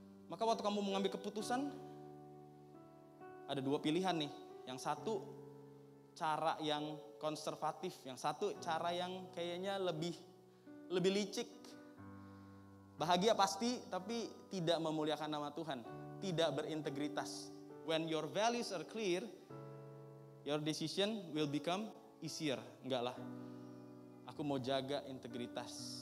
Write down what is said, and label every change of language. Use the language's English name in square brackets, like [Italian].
[Indonesian] Maka waktu kamu mengambil keputusan, ada dua pilihan nih. Yang satu cara yang konservatif, yang satu cara yang kayaknya lebih licik. Bahagia pasti, tapi tidak memuliakan nama Tuhan, tidak berintegritas. [English] When your values are clear, your decision will become easier. [Indonesian] Enggak lah, aku mau jaga integritas.